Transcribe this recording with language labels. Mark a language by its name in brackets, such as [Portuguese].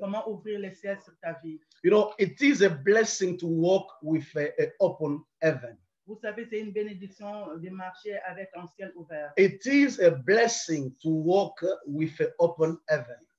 [English] You know, it is a blessing to walk with an open heaven. [French] Vous savez, c'est une bénédiction de marcher avec un ciel ouvert. [English] It is a blessing to walk with an open heaven.